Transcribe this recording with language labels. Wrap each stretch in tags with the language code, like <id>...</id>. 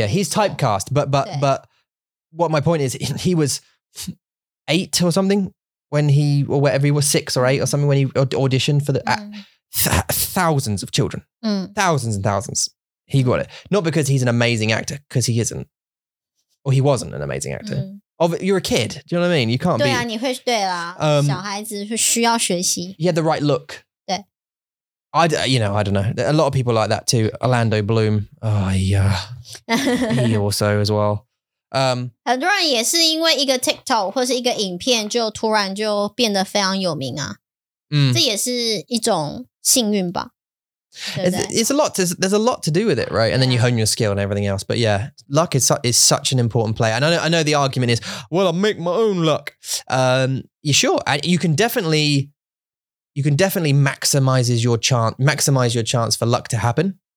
<en>Yeah, yeah, he's typecast, but what my point is, he was eight or something when he, or whatever, he was six or eight or something when he auditioned for the,、 mm. thousands of children,、 mm. thousands and thousands. He got it. Not because he's an amazing actor, because he isn't. Or he wasn't an amazing actor.、 Mm. Of, you're a kid, do you know what I mean? You can't</en> <zh>对、啊、</zh> <en>be.</en> <zh>你会对啦小孩子会需要学习。</zh> <en>He had the right look. I don't know. A lot of people like that too. Orlando Bloom. Oh, yeah. He also as well.</en> <zh>很多人也是因为一个 TikTok 或是一个影片就突然就变得非常有名啊。嗯。这也是一种幸运吧。</zh> <en>It's a lot. There's a lot to do with it, right? And then you hone your skill and everything else. But yeah, luck is such an important player. And I know the argument is, well, I make my own luck. You sure? You can definitely... you can definitely maximize your chance for luck to happen.</en>